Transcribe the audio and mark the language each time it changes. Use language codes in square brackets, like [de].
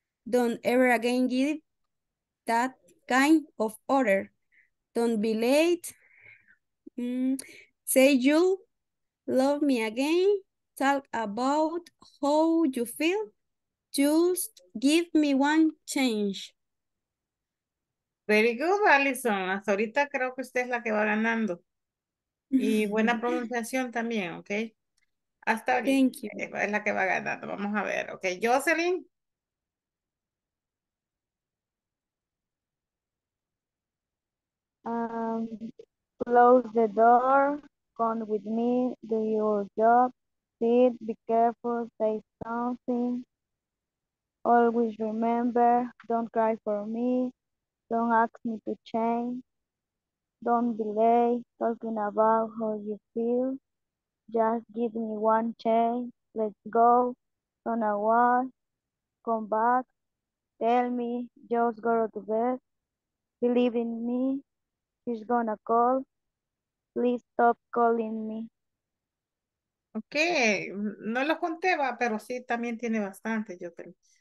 [en] Don't ever again give that kind of order. Don't be late. Say you'll love me again, talk about how you feel, just give me one change. Very good, Alison. [es] Hasta ahorita creo que usted es la que va ganando. Y buena pronunciación también, ¿ok? Hasta ahorita [en] Thank you. [es] Es la que va ganando. Vamos a ver, ¿ok? Jocelyn. [en] Close the door, come with me, do your job, sit, be careful, say something, always remember, don't cry for me, don't ask me to change, don't delay, talking about how you feel, just give me one chance, let's go, on a walk, come back, tell me, just go to bed, believe in me, she's gonna call. Please stop calling me. [es] Okay, no lo conté, va, pero sí también tiene bastante, yo creo.